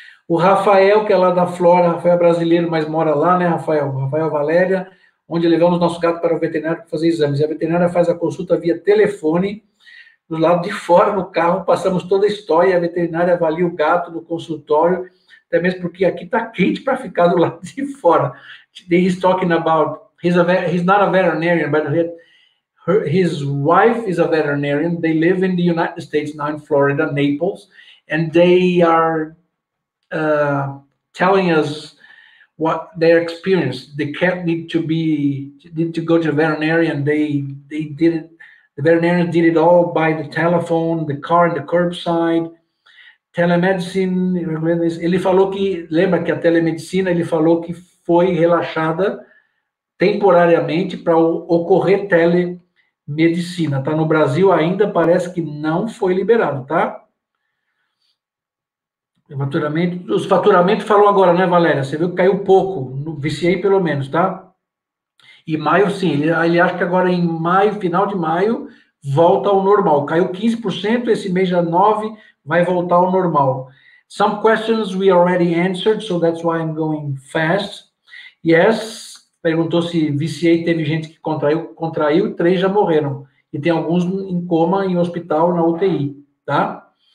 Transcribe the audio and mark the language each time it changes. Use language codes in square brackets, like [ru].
[pt] O Rafael, que é lá da Flórida, Rafael é brasileiro, mas mora lá, né, Rafael? Rafael Valéria, onde levamos nosso gato para o veterinário para fazer exames. E a veterinária faz a consulta via telefone, do lado de fora, no carro, passamos toda a história, a veterinária avalia o gato no consultório, até mesmo porque aqui está quente para ficar do lado de fora. [en] He's talking about, he's not a veterinarian, but his wife is a veterinarian. They live in the United States, now in Florida, Naples, and they are telling us what their experience. The cat need to go to a veterinarian. They did it. The veterinarian did it all by the telephone, the car, and the curbside. [pt] Telemedicine, ele falou que, lembra que a telemedicina, ele falou que foi relaxada temporariamente para ocorrer telemedicina, tá? No Brasil ainda parece que não foi liberado, tá? Os faturamentos falou agora, né, Valéria? Você viu que caiu pouco, no VCA pelo menos, tá? E maio, sim, ele acha que agora em maio, final de maio, volta ao normal. Caiu 15%, esse mês já 9%, vai voltar ao normal. [en] Some questions we already answered, so that's why I'm going fast. [pt] Yes, perguntou se VCA teve gente que contraiu, três já morreram. E tem alguns em coma, em hospital, na UTI, tá?